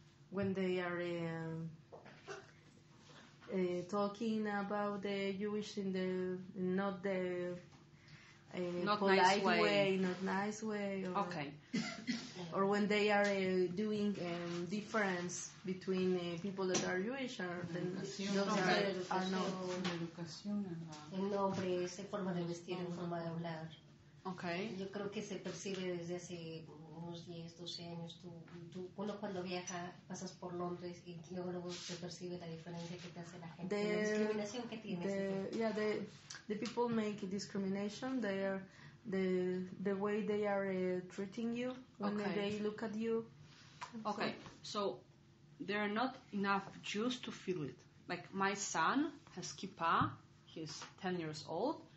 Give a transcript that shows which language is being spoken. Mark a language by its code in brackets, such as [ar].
[en] When they are talking about the Jewish in the not the not polite nice way. Okay. Or when they are doing difference between people that are Jewish, or then those are not. [es] El nombre, esa forma de vestir, la forma de hablar. [en] Okay. [es] Yo creo que se percibe desde hace unos 10, 12 años. Tú, uno cuando viaja, pasas por Londres y luego se percibe la diferencia que te hace la gente. La discriminación que tienes. [en] The people make discrimination. They are the way they are treating you when they look at you. Okay. So there are not enough Jews to feel it. Like my son has kippah. He's 10 years old.